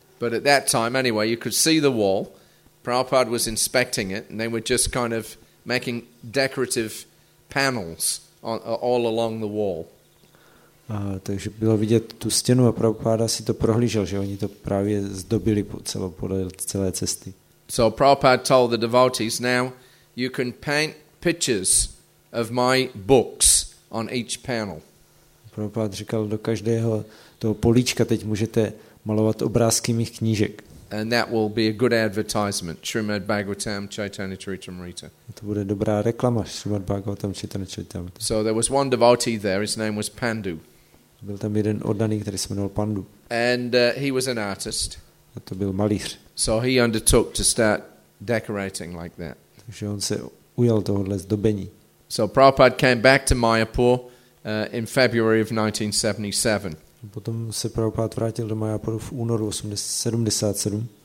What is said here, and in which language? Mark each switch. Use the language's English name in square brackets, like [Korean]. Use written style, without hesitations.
[English] But at that time, anyway, you could see the wall. Prabhupada was inspecting it, and they were just kind of making decorative panels all along the wall. [Czech] Takže bylo vidět tu stěnu a Prabhupada si to prohlížel, že oni to právě zdobili celé cesty. [English] So Prabhupada told the devotees, now you can paint pictures of my books on each panel. [Czech] Prabhupada říkal, do každého toho políčka teď můžete malovat obrázky mých knížek. [English] And that will be a good advertisement, Srimad Bhagavatam Chaitanya Charitamrita. [Czech] To bude dobrá reklama, Srimad Bhagavatam Chaitanya Charitamrita. [English] So there was one devotee there, his name was Pandu. [Czech] Byl tam jeden oddaný, který se jmenoval Pandu. [English] And he was an artist. [Czech] A to byl malíř. [English] So he undertook to start decorating like that. [Czech] Takže on se ujal tohohle zdobení. [English] So Prabhupada came back to Mayapur in February of 1977. [Czech] Potom se Prabhupada vrátil do Mayapuru v únoru 1977.